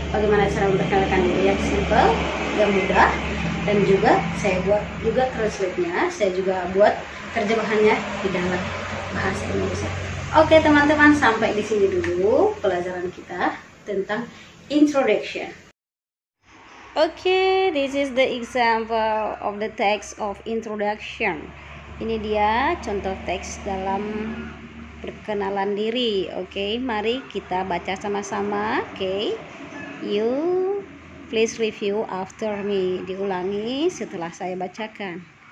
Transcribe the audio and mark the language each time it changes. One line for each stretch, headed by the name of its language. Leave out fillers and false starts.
Indonesian: Bagaimana cara memperkenalkan diri yang simple, yang mudah, dan juga saya buat juga translate-nya, saya juga buat terjemahannya di dalam bahasa Indonesia. Oke, teman-teman, sampai di sini dulu pelajaran kita. tentang introduction.
English: Okay, this is the example of the text of introduction.
Indonesian: Ini dia contoh teks dalam perkenalan diri. Okay, mari kita baca sama-sama. Okay,
English: you please review after me.
Indonesian: Diulangi setelah saya bacakan.